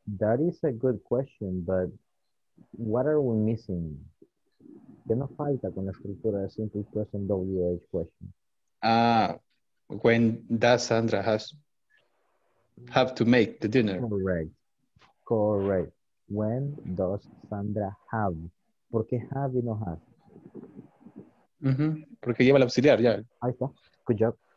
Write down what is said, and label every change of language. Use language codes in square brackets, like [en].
[en] That is a good question, but what are we missing? [es] ¿Qué nos falta con la estructura de simple question, WH question? [en] Ah, when does Sandra have to make the dinner? Correct. Correct. When does Sandra have? [es] ¿Por qué have y no have? Porque lleva el auxiliar, ya. Ahí está. [en] Good job.